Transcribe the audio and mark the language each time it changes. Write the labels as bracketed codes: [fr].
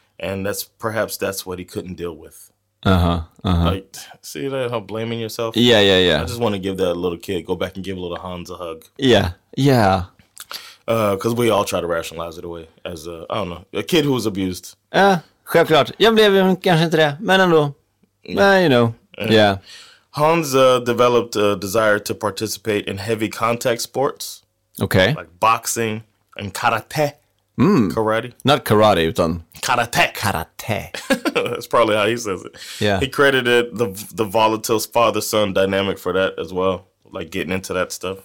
[en] And that's what he couldn't deal with. Uh-huh. Like, see that, how blaming yourself? Yeah, yeah, yeah. I just want to give that little kid, go back and give little Hans a hug. Yeah, yeah. Because we all try to rationalize it away as, I don't know, a kid who was abused. Yeah, [sv] självklart. Jag blev kanske inte det, men ändå. [en] Yeah. You know, yeah. Hans developed a desire to participate in heavy contact sports. Okay. Like boxing and karate. Mm. Karate. Not karate, [sv] utan [en] karate. Karate. That's probably how he says it. Yeah. He credited the volatile father-son dynamic for that as well, like getting into that stuff.